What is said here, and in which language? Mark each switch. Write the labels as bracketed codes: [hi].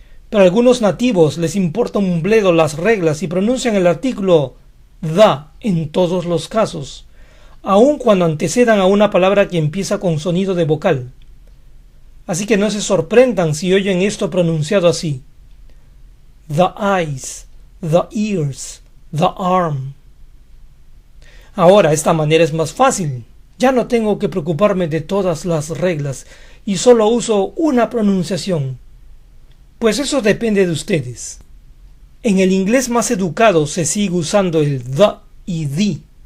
[es] Pero a algunos nativos les importa un bledo las reglas y pronuncian el artículo the en todos los casos, aun cuando antecedan a una palabra que empieza con sonido de vocal. Así que no se sorprendan si oyen esto pronunciado así. [en] The eyes, the ears, the arm. [es] Ahora, esta manera es más fácil. Ya no tengo que preocuparme de todas las reglas y solo uso una pronunciación. Pues eso depende de ustedes. En el inglés más educado se sigue usando el the y the.